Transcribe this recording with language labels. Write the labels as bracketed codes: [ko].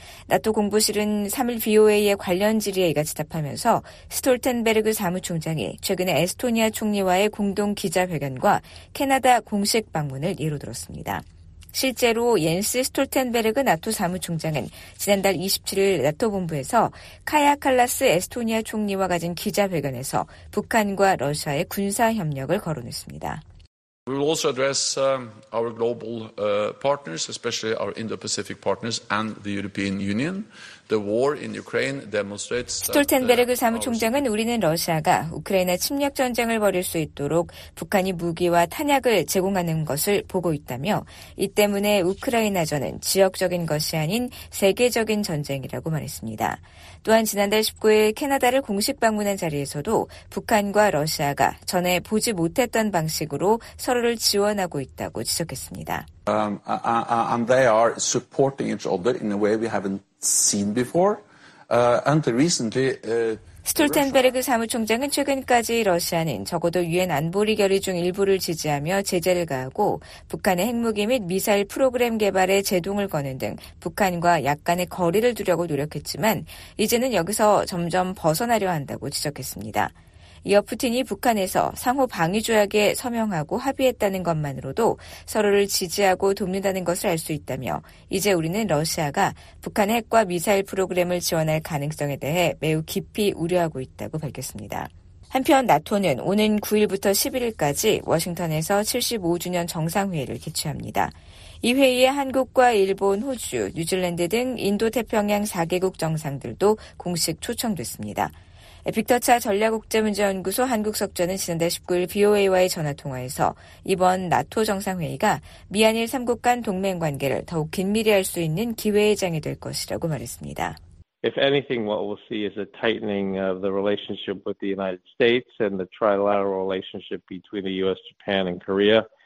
[ko] 나토 공보실은 3일 BOA의 관련 질의에 이같이 답하면서 스톨텐베르그 사무총장이 최근에 에스토니아 총리와의 공동 기자회견과 캐나다 공식 방문을 예로 들었습니다. 실제로 옌스 스톨텐베르그 나토 사무총장은 지난달 27일 나토 본부에서 카야 칼라스 에스토니아 총리와 가진 기자회견에서 북한과 러시아의 군사 협력을 거론했습니다. [en] We will also address our global partners, especially our Indo-Pacific partners and the European Union. The war in Ukraine demonstrates. [ko] 스톨텐베르그 사무총장은 우리는 러시아가 우크라이나 침략 전쟁을 벌일 수 있도록 북한이 무기와 탄약을 제공하는 것을 보고 있다며 이 때문에 우크라이나전은 지역적인 것이 아닌 세계적인 전쟁이라고 말했습니다. 또한 지난달 19일 캐나다를 공식 방문한 자리에서도 북한과 러시아가 전에 보지 못했던 방식으로 서로를 지원하고 있다고 지적했습니다. [en] And they are supporting each other in a way we haven't seen before. And recently, [ko] 스톨텐베르그 사무총장은 최근까지 러시아는 적어도 유엔 안보리 결의 중 일부를 지지하며 제재를 가하고 북한의 핵무기 및 미사일 프로그램 개발에 제동을 거는 등 북한과 약간의 거리를 두려고 노력했지만 이제는 여기서 점점 벗어나려 한다고 지적했습니다. 이어 푸틴이 북한에서 상호 방위 조약에 서명하고 합의했다는 것만으로도 서로를 지지하고 돕는다는 것을 알 수 있다며 이제 우리는 러시아가 북한의 핵과 미사일 프로그램을 지원할 가능성에 대해 매우 깊이 우려하고 있다고 밝혔습니다. 한편 나토는 오는 9일부터 11일까지 워싱턴에서 75주년 정상회의를 개최합니다. 이 회의에 한국과 일본, 호주, 뉴질랜드 등 인도태평양 4개국 정상들도 공식 초청됐습니다. 빅터 차 전략국제문제연구소 한국석좌는 지난달 19일 VOA와의 전화통화에서 이번 나토 정상회의가 미한일 3국 간 동맹관계를 더욱 긴밀히 할 수 있는 기회의 장이 될 것이라고 말했습니다. [en] If anything, what we'll see is a tightening of the relationship with the United States and the trilateral relationship between the U.S., Japan, and Korea.